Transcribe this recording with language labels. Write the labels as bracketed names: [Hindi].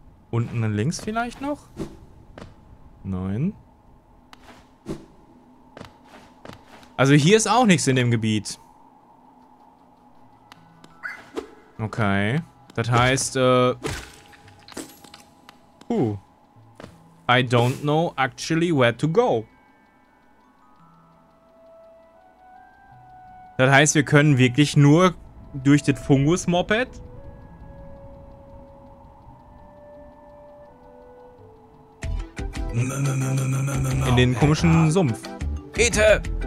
[German] Unten links vielleicht noch? Nein. Also hier ist auch nichts in dem Gebiet. Okay. Das heißt, [English] I don't know actually where to go. [German] Das heißt, wir können wirklich nur durch das Fungus-Moped. In den komischen Sumpf. Ete!